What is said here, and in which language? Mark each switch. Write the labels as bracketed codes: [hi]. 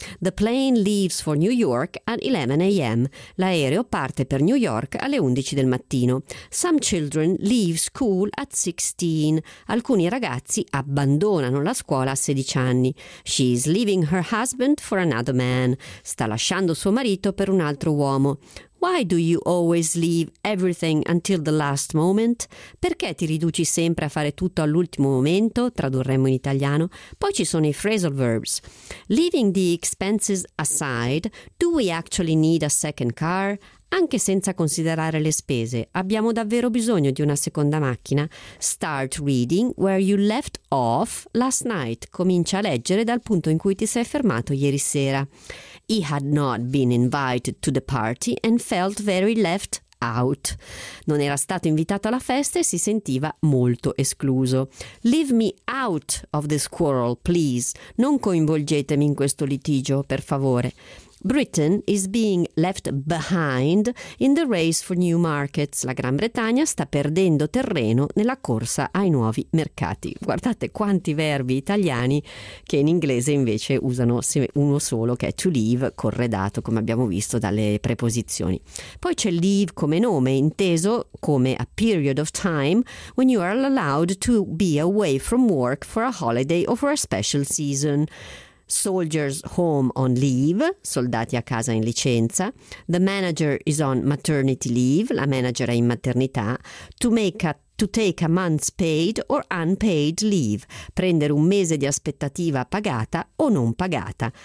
[en] The plane leaves for New York at 11 a.m. [it] L'aereo parte per New York alle 11 del mattino. [en] Some children leave school at 16. [it] Alcuni ragazzi abbandonano la scuola a 16 anni. [en] She's leaving her husband for another man. [it] Sta lasciando suo marito per un altro uomo. [en] Why do you always leave everything until the last moment? [it] Perché ti riduci sempre a fare tutto all'ultimo momento? Tradurremmo in italiano. Poi ci sono i phrasal verbs. [en] Leaving the expenses aside, do we actually need a second car? [it] Anche senza considerare le spese, abbiamo davvero bisogno di una seconda macchina? [en] Start reading where you left off last night. [it] Comincia a leggere dal punto in cui ti sei fermato ieri sera. [en] He had not been invited to the party and felt very left out. [it] Non era stato invitato alla festa e si sentiva molto escluso. [en] Leave me out of this quarrel, please. [it] Non coinvolgetemi in questo litigio, per favore. [en] Britain is being left behind in the race for new markets. [it] La Gran Bretagna sta perdendo terreno nella corsa ai nuovi mercati. Guardate quanti verbi italiani che in inglese invece usano uno solo, che è to leave, corredato, come abbiamo visto, dalle preposizioni. Poi c'è leave come nome, inteso come [en] a period of time when you are allowed to be away from work for a holiday or for a special season. Soldiers home on leave, [it] soldati a casa in licenza. [en] The manager is on maternity leave, [it] la manager è in maternità. [en] To take a month's paid or unpaid leave, [it] prendere un mese di aspettativa pagata o non pagata.